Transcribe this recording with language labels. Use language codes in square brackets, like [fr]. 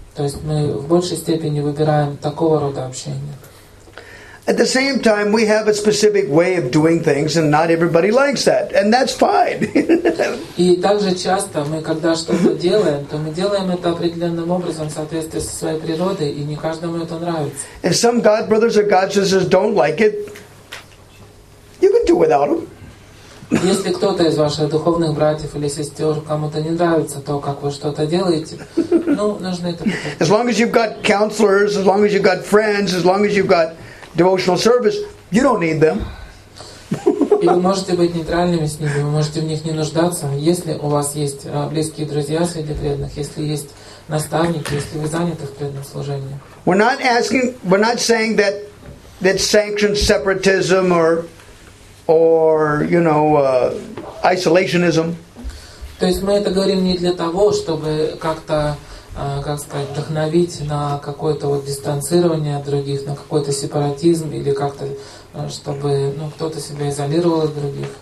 [ru] То есть мы в большей степени выбираем такого рода общение. [en] At the same time, we have a specific way of doing things, and not everybody likes that, and that's fine. [ru] И также часто мы, когда что-то делаем, то мы делаем это определенным образом, в соответствии со своей природой, и не каждому это нравится. [en] And some god brothers or god sisters don't like it. You can do without them. [ru] Если кто-то из ваших духовных братьев или сестер кому-то не нравится то, как вы что-то делаете, ну, нужно это попросить. [en] As long as you've got counselors, as long as you've got friends, as long as you've got devotional service, you don't need them. [ru] И вы можете быть нейтральными с ними, вы можете в них не нуждаться, если у вас есть близкие друзья среди преданных, если есть наставники, если вы заняты в преданном служении. [en] We're not saying that sanctions separatism or isolationism. [ru] То есть мы это говорим не для того, чтобы как-то, как сказать, вдохновить на какое-то вот дистанцирование от других, на какой-то сепаратизм или как-то, чтобы, ну, кто-то себя изолировал от других.